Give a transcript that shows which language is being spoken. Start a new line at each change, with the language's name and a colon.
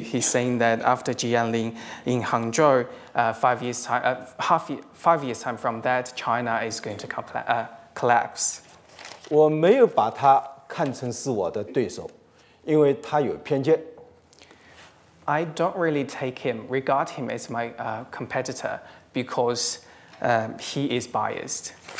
English: He's saying that after G20 in Hangzhou, five years time from that, China is going to collapse.
Chinese: 我没有把他看成是我的对手，因为他有偏见。
English: I don't really regard him as my competitor because he is biased.